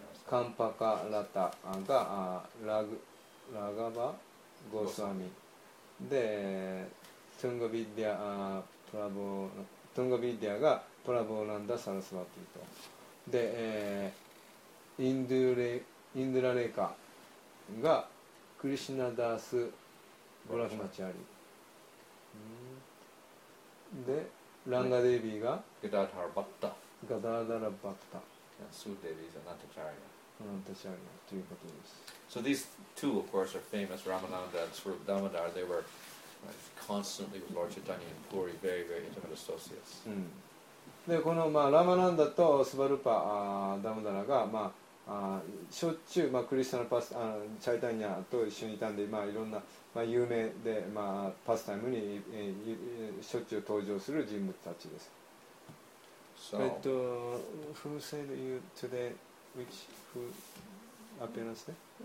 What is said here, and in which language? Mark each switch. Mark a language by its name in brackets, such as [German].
[Japanese] カンパカラタが ラガバゴスワミで、トゥングビッディアプラボトゥングビディアがプラボーランダ・サラスワティと、で、インドゥラレカがクリシナ・ダース・ゴラフマチャリ、で、ランガ・デビーがガダーダラ・バッタ、ガダーダラ・バッタ、スー・デビーザ・ナタチャリア、ナタチャリアということです。 [English] So these two of course are famous, Ramananda and Swarup Damodar, they wereconstantly with Lord Chaitanya and Puri, very, very intimate associates.、 [Japanese] うん、で、この、まあ、ラマランダとスバルパダムダラが、まあ、しょっちゅう、まあ、クリスナパスチャイタニアと一緒にいたんで、まあ、いろんな、まあ、有名で、まあ、パスタイムにしょっちゅう登場する人物たちです。 [English] So, who said you today, which, who appearance there?